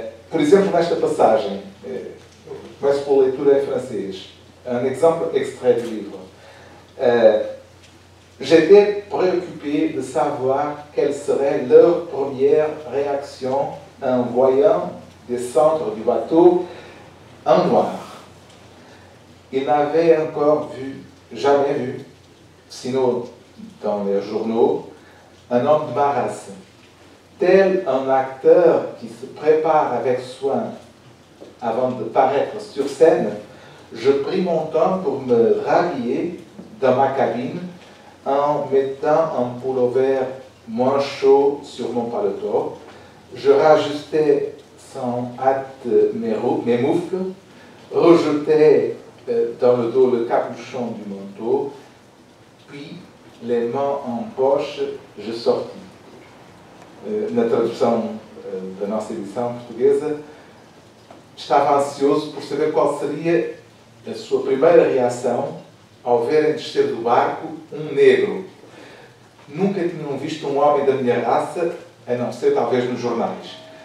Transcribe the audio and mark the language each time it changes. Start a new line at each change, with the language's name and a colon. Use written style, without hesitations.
Portuguese: Por exemplo, nesta passagem, começo pela leitura em francês,
French: un exemple extrait du livre. J'étais préoccupé de savoir quelle serait leur première réaction en voyant descendre du bateau un noir. Ils n'avaient encore jamais vu, sinon dans les journaux, un homme de ma race. Tel un acteur qui se prépare avec soin avant de paraître sur scène, je pris mon temps pour me rhabiller dans ma cabine en mettant un pullover moins chaud sur mon paletot. Je rajustais sans hâte mes moufles, rejetais dans le dos le capuchon du manteau, puis les mains en poche, je sortis.
Portuguese: Na tradução da nossa edição portuguesa, estava ansioso por saber qual seria a sua primeira reação ao verem descer do barco um negro. Nunca tinham visto um homem da minha raça, a não ser talvez nos jornais.